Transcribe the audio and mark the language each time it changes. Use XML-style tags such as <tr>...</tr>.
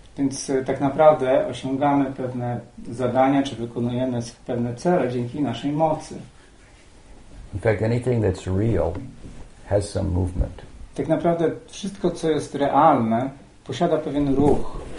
<pl>Więc tak naprawdę osiągamy pewne zadania, czy wykonujemy pewne cele dzięki naszej mocy.</pl> <en>In fact, anything that's real has some movement.</en> <pl>Tak naprawdę wszystko, co jest realne, posiada pewien ruch.</pl>